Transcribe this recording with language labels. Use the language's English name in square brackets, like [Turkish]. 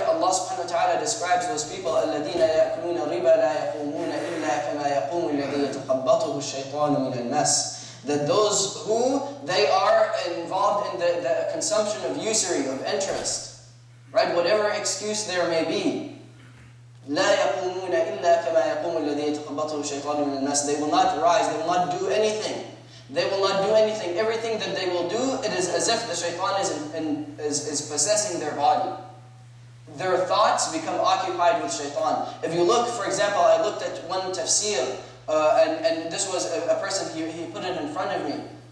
[English] Allah subhanahu wa ta'ala describes those people, [Arabic] الَّذِينَ يَأْكُلُونَ الرِّبَا لَا يَقُومُونَ إِلَّا كَمَا يَقُومُ الَّذِي يَتَخَبَّطُهُ الشَّيْطَانُ مِنَ النَّاسِ [English] That those who, they are involved in the consumption of usury, of interest. Right? Whatever excuse there may be. [Arabic] لَا يَقُومُونَ إِلَّا كَمَا يَقُومُ الَّذِي يَتَخَبَّطُهُ الشَّيْطَانُ مِنَ النَّاسِ [English] They will not rise, they will not do anything. They will not do anything. Everything that they will do, it is as if the shaitan is possessing their body. Their thoughts become occupied with shaitan. If you look, for example, I looked at one tafsir, and this was a person, he put it in front of me.